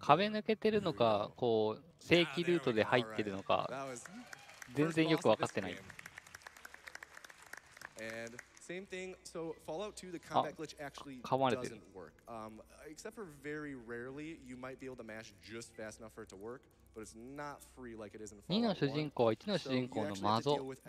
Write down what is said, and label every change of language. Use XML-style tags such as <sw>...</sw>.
<ja>壁抜けてるのか、こう正規ルートで入ってるのか、全然よく分かってない。</ja> <en>And same thing. So Fallout 2, the combat glitch actually doesn't work. Except for very rarely, you might be able to mash just fast enough for it to work, but it's not free like it is in Fallout</en> <ja>2の主人公、1の主人公の魔族、</ja>